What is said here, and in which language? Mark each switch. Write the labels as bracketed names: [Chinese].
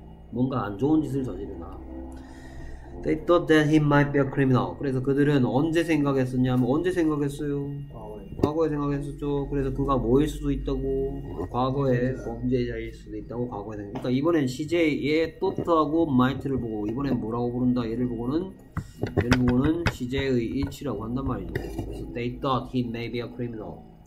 [Korean] 뭔가 안 좋은 짓을 저지르다. [English] They thought that he might be a criminal. [Korean] 그래서 그들은 언제 생각했었냐면 언제 생각했어요? 과거에 생각했었죠. 그래서 그가 뭐일 수도 있다고 과거에 범죄자일 수도 있다고 과거에 생각했다. 그러니까 이번엔 CJ 얘 thought하고 might를 보고 이번엔 뭐라고 부른다? 얘를 보고는 CJ의 일치라고 한단 말이죠. 그래서 [English] They thought he may be a criminal.